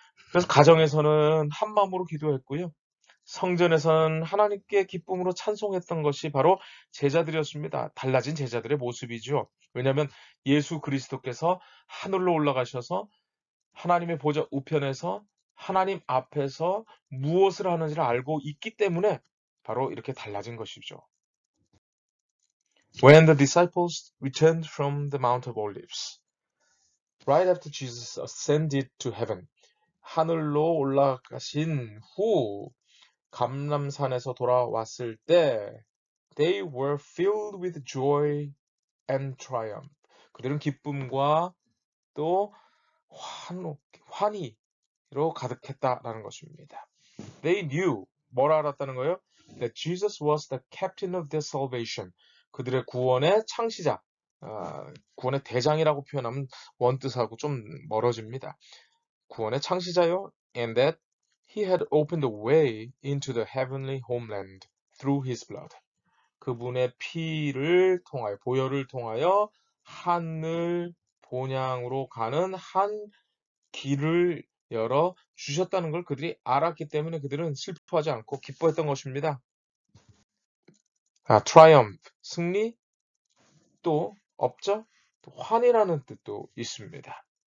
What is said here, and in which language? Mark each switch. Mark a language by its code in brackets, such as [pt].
[ko] 그래서 가정에서는 한마음으로 기도했고요. 성전에서는 하나님께 기쁨으로 찬송했던 것이 바로 제자들이었습니다. 달라진 제자들의 모습이죠. 왜냐하면 예수 그리스도께서 하늘로 올라가셔서 하나님의 보좌 우편에서 하나님 앞에서 무엇을 하는지를 알고 있기 때문에 바로 이렇게 달라진 것이죠. [en] When the disciples returned from the Mount of Olives, right after Jesus ascended to heaven, [ko] 하늘로 올라가신 후 감람산에서 돌아왔을 때, [en] they were filled with joy and triumph. [ko] 그들은 기쁨과 또 환희로 가득했다라는 것입니다. [en] They knew, [ko] 뭘 알았다는 거예요? [en] That Jesus was the captain of their salvation. [ko] 그들의 구원의 창시자, 구원의 대장이라고 표현하면 원뜻하고 좀 멀어집니다. 구원의 창시자요. [en] And that he had opened the way into the heavenly homeland through his blood. [ko] 그분의 피를 통하여, 보혈을 통하여 하늘 본향으로 가는 한 길을 열어 주셨다는 걸 그들이 알았기 때문에 그들은 슬퍼하지 않고 기뻐했던 것입니다. 아, triumph, 승리, 또 업적, 환희라는 뜻도 있습니다.